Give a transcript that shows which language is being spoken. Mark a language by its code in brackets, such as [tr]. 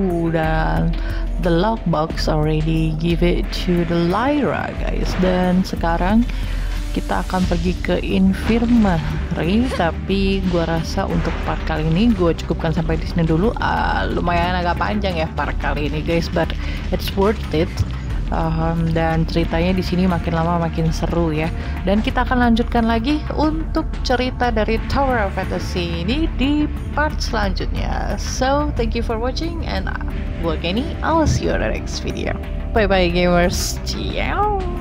[en] Dan the lockbox already give it to the Lyra, guys. [id] Dan sekarang kita akan pergi ke infirmary, tapi gua rasa untuk part kali ini gua cukupkan sampai di sini dulu. Lumayan agak panjang ya part kali ini, guys, [en] but it's worth it. [id] Dan ceritanya di sini makin lama makin seru ya. Dan kita akan lanjutkan lagi untuk cerita dari Tower of Fantasy ini di part selanjutnya. [en] So, thank you for watching and gua Kenny, I'll see you on the next video. Bye bye gamers. Ciao.